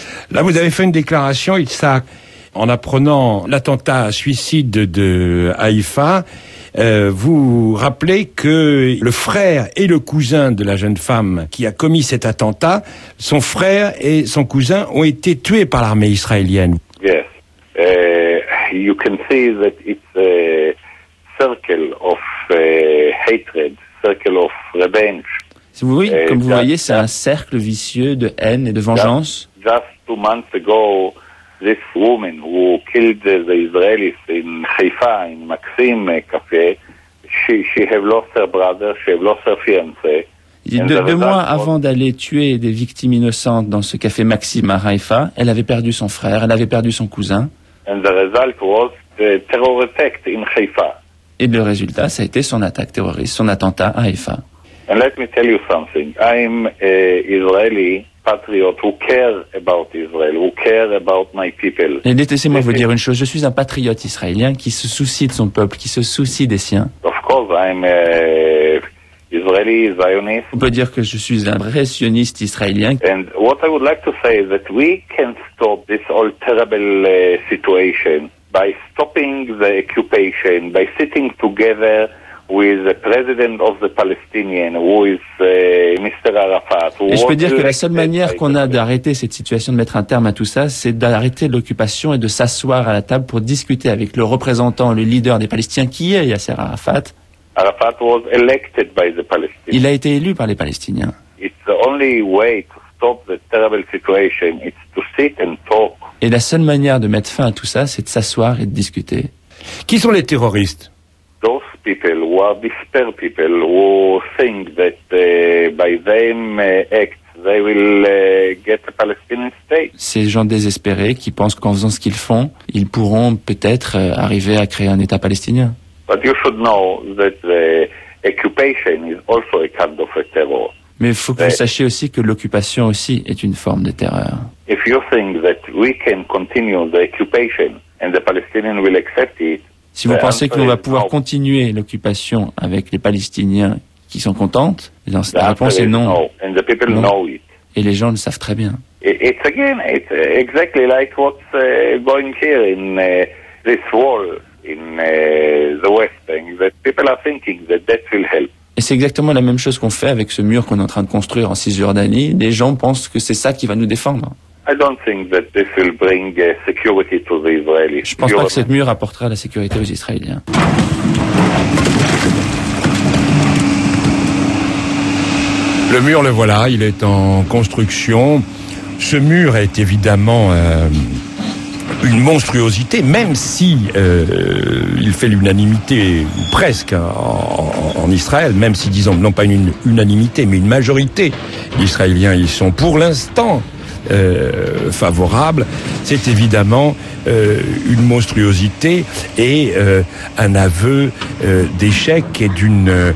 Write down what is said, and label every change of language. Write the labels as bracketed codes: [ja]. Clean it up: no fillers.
[fr] Là, vous avez fait une déclaration, Isaac, en apprenant l'attentat suicide de Haïfa. Vous rappelez que le frère et le cousin de la jeune femme qui a commis cet attentat, son frère et son cousin ont été tués par l'armée israélienne. [en] Yes, you can see that it's a circle of hatred, circle of revenge. [fr] Si vous voyez, comme vous voyez, c'est un cercle vicieux de haine et de vengeance. [en] Just 2 months ago, this woman who killed the Israelis in Haifa, in Maxim Cafe, she have lost her brother, she have lost her fiancé. [fr] Deux mois avant d'aller tuer des victimes innocentes dans ce café Maxim à Haifa, elle avait perdu son frère, elle avait perdu son cousin. [en] And the result was the terror attack in Haifa. [fr] Et le résultat, ça a été son attaque terroriste, son attentat à Haifa. [en] And let me tell you something. I'm an Israeli patriot who care about Israel, who care about my people. [fr] Et laissez-moi vous dire une chose. Je suis un patriote israélien qui se soucie de son peuple, qui se soucie des siens. [en] Of course, I'm an Israeli Zionist. [fr] On peut dire que je suis un vrai sioniste israélien. [en] And what I would like to say is that we can stop this whole terrible situation by stopping the occupation, by sitting together with the president of the Palestinian, who is Mr. Arafat. [fr] Et je peux dire que la seule manière qu'on a d'arrêter cette situation, de mettre un terme à tout ça, c'est d'arrêter l'occupation et de s'asseoir à la table pour discuter avec le représentant, le leader des Palestiniens, qui est Yasser Arafat. [en] Arafat was elected by the Palestinians. [fr] Il a été élu par les Palestiniens. [en] It's the only way to stop the terrible situation. It's to sit and talk. [fr] Et la seule manière de mettre fin à tout ça, c'est de s'asseoir et de discuter. Qui sont les terroristes? [en] Those people who are despair people who think that by them act they will get a Palestinian state. [fr] Ces gens désespérés qui pensent qu'en faisant ce qu'ils font, ils pourront peut-être arriver à créer un État palestinien. [en] But you should know that the occupation is also a kind of a terror. [fr] Mais il faut que vous sachiez aussi que l'occupation aussi est une forme de terreur. [en] If you think that we can continue the occupation and the Palestinians will accept it. [fr] Si vous pensez que l'on va pouvoir continuer l'occupation avec les Palestiniens qui sont contents, la réponse est non. Non. Et les gens le savent très bien. [en] It's exactly like what's going here in this wall in the West Bank, that people are thinking that that will help. [fr] Et c'est exactement la même chose qu'on fait avec ce mur qu'on est en train de construire en Cisjordanie. Les gens pensent que c'est ça qui va nous défendre. [en] I don't think that this will bring security to the Israelis. [fr] Je pense pas que cette mur apportera la sécurité aux Israéliens. Le mur, le voilà, il est en construction. Ce mur est évidemment une monstruosité, même si il fait l'unanimité, ou presque, en Israël, même si, disons, non pas une unanimité, mais une majorité d'Israéliens y sont pour l'instant favorable, c'est évidemment une monstruosité et un aveu d'échec et d'une